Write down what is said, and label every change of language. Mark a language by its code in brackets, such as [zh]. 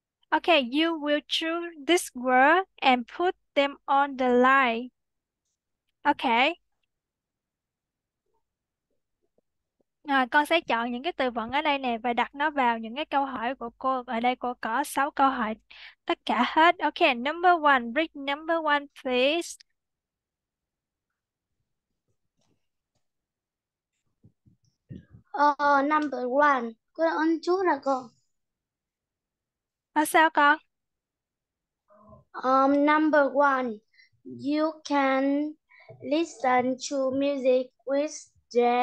[en] Okay, you will choose this word and put them on the line. Okay. [vi] Con sẽ chọn những cái từ vựng ở đây nè và đặt nó vào những cái câu hỏi của cô. Ở đây cô có 6 câu hỏi tất cả hết. [en] Okay, number one, read number one, please. Number one, [vi] cô đã ăn chút rồi cô. Sao con? [en] Number one, you can listen to music with the